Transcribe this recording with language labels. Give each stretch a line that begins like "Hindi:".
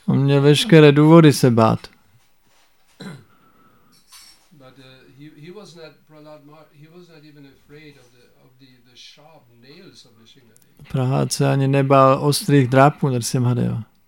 Czech: On měl veškeré důvody se bát.
English: But he was not Prahlad Maharaj, he was not even afraid of the sharp nails of Nrsimhadeva.
Czech: Prahlád se ani nebál ostrých drápů Nrsimhadeva.